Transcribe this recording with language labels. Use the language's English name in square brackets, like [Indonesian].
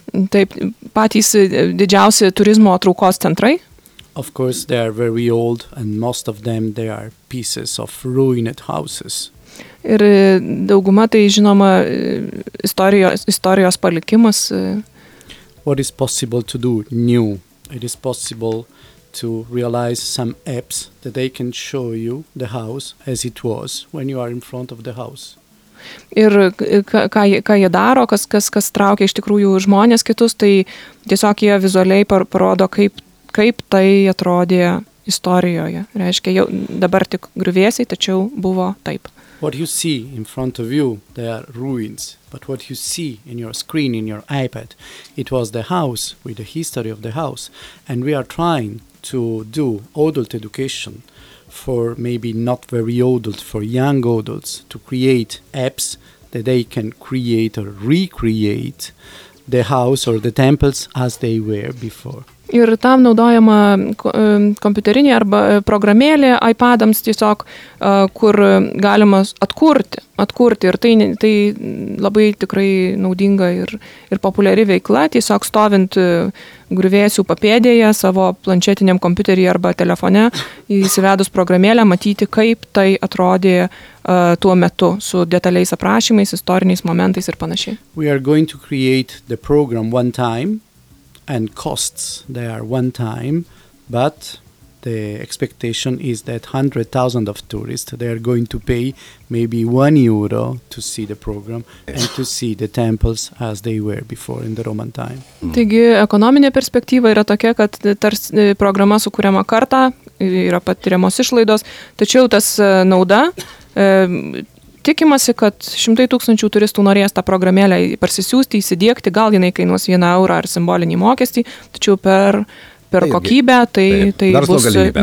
[Lithuanian] Taip, patys didžiausi turizmo traukos centrai. [English] Of course, they are very old and most of them they are pieces of ruined houses. [Lithuanian] Ir dauguma tai žinoma istorijos palikimas. [English] What is possible to do new? It is possible to realize some apps that they can show you the house as it was when you are in front of the house. [Lithuanian] Ir ką jie daro, kas traukia iš tikrųjų žmonės kitus, tai tiesiog jie vizualiai parodo, kaip tai atrodė istorijoje. Reiškia, jau dabar tik griuvėsiai, tačiau buvo taip. [English] What you see in front of you, they are ruins. But what you see in your screen, in your iPad, it was the house with the history of the house. And we are trying to do adult education for maybe not very adult, for young adults, to create apps that they can create or recreate the house or the temples as they were before. [Lithuanian] Ir tam naudojama kompiuterinė arba programėlė iPadams tiesiog, kur galima atkurti. Ir tai labai tikrai naudinga ir populiari veikla, tiesiog stovint griuvėsių papėdėje savo planšetiniam kompiuteryje arba telefone, įsivedus programėlę, matyti, kaip tai atrodė tuo metu su detaliais aprašymais, istoriniais momentais ir panašiai. [English] We are going to create the program one time. And costs, they are one time, but the expectation is that 100,000 of tourists, they are going to pay maybe 1 euro to see the program and to see the temples as they were before in the Roman time. [Lithuanian] Taigi, ekonominė perspektyva yra tokia, kad tarsi programa sukuriama kartą, yra patiriamos išlaidos, tačiau tas nauda, tikimasi, kad 100,000 turistų norės tą programėlę parsisiųsti, įsidiegti, gal jinai kainuos 1 eurą ar simbolinį mokestį, tačiau per taip, kokybę tai bus galimybė.